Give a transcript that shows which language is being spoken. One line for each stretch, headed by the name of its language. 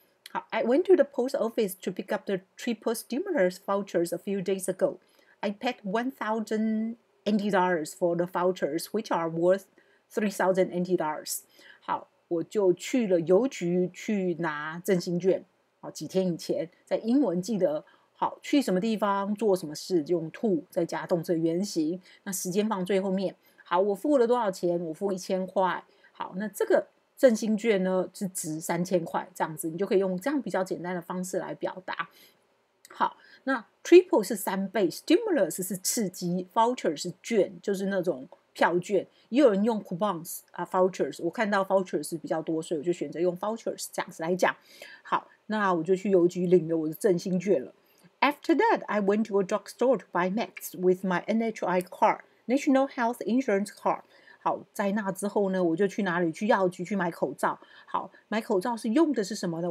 English: 好, I went to the post office to pick up the triple stimulus vouchers a few days ago. I paid $1,000 for the vouchers, which are worth $3,000.
Chinese: 好，我就去了邮局去拿振兴券。好，几天以前，在英文记得好去什么地方做什么事，就用 to 再加动词原形。那时间放最后面。好，我付了多少钱？我付$1,000。好，那这个振兴券呢是值$3,000这样子，你就可以用这样比较简单的方式来表达。好，那 triple 是三倍， stimulus 是刺激， voucher 是券，就是那种票券，也有人用 coupons 啊 vouchers， 我看到 vouchers 比较多，所以我就选择用 vouchers 这样子来讲。好，那我就去邮局领了我的振兴券了。
English: After that I went to a drugstore to buy meds with my NHI card, National Health Insurance card。
Chinese: 好，在那之后呢，我就去哪里？去药局去买口罩。好，买口罩是用的是什么呢？